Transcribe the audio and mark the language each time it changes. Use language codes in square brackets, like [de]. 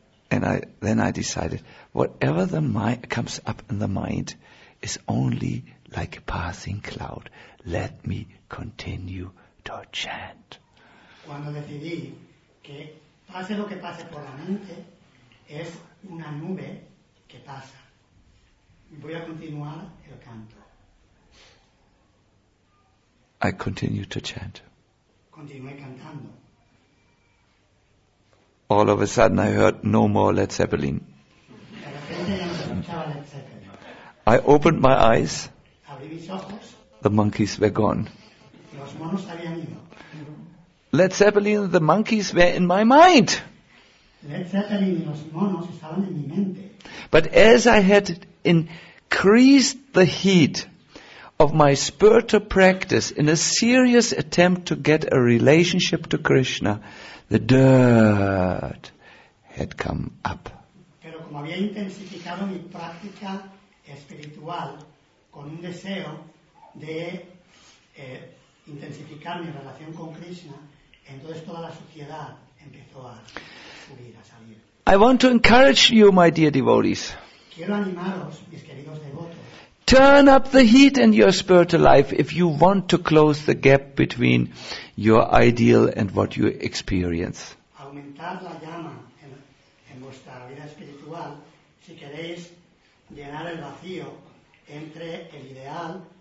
[en] And I decided, whatever the mind comes up in the mind is only like a passing cloud. Let me continue to chant. [es] Cuando decidí que pase lo que pase por la mente, es una nube que pasa. Voy a continuar el canto. [en] I continue to chant. [es] Continué cantando. [en] All of a sudden I heard no more Led Zeppelin. [es] De repente ya no escuchaba Led Zeppelin. [en] I opened my eyes. [es] Abrí mis ojos. [en] The monkeys were gone. [es] Los monos habían ido. [en] Led Zeppelin, the monkeys were in my mind. [es] Led Zeppelin y los monos estaban en mi mente. [en] But as I had increased the heat of my spiritual practice in a serious attempt to get a relationship to Krishna, the dirt had come up. [es] Pero como había intensificado mi práctica espiritual con un deseo de intensificar mi relación con Krishna, entonces toda la suciedad empezó a subir, a salir. [en] I want to encourage you, my dear devotees. [es] Quiero animaros, mis queridos devotos. [en] Turn up the heat in your spiritual life if you want to close the gap between your ideal and what you experience. [es] Aumentar la llama en vuestra vida espiritual si queréis llenar el vacío entre el ideal.